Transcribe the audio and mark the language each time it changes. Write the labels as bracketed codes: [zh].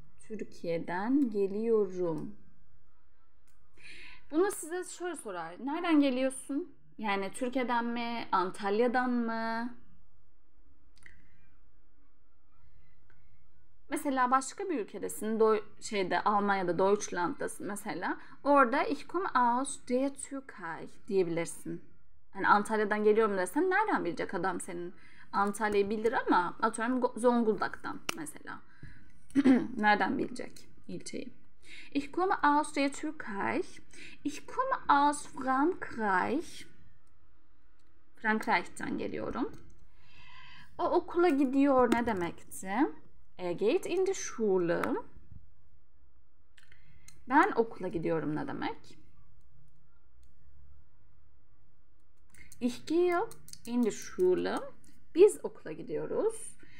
[tr] Türkiye'den geliyorum. Bunu size şöyle sorar. Nereden geliyorsun? Yani Türkiye'den mi? Antalya'dan mı? Mesela başka bir ülkedesin. Şeyde Almanya'da, Deutschland'dasın mesela. Orada [de] ich komme aus der Türkei [tr] diyebilirsin. Yani Antalya'dan geliyorum desen nereden bilecek adam senin? Antalya'yı bilir ama atıyorum Zonguldak'tan mesela. Nereden bilecek ilçeyi? [de] Ich komme aus der Türkei. Ich komme aus Frankreich. [tr] Frankreich'ten geliyorum. O okula gidiyor ne demekti? [de] Er geht in die Schule. [tr] Ben okula gidiyorum ne demek? [de] Ich gehe in die Schule. [tr] Biz okula gidiyoruz.